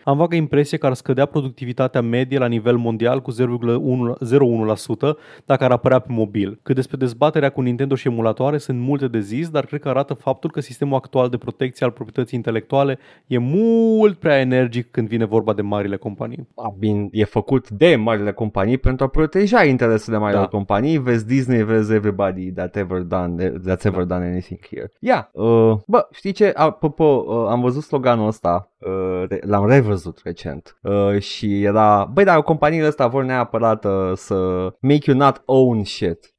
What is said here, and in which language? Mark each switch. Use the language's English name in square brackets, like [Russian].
[Romanian] Am vagă impresie că ar scădea productivitatea medie la nivel mondial cu 0,01% dacă ar apărea pe mobil. Cât despre dezbaterea cu Nintendo și emulatoare, sunt multe de zis, dar cred că arată faptul că sistemul actual de protecție al proprietății intelectuale e mult prea energic când vine vorba de marile companii. Bine, e făcut de marile companii pentru a proteja interesele mai mari. Companii, vezi Disney, vezi [English] everybody that's ever done anything here. [Romanian] Bă, știi ce? Am văzut sloganul ăsta, l-am revăzut recent și era, băi, dar companiile astea vor neapărat să [English] make you not own shit.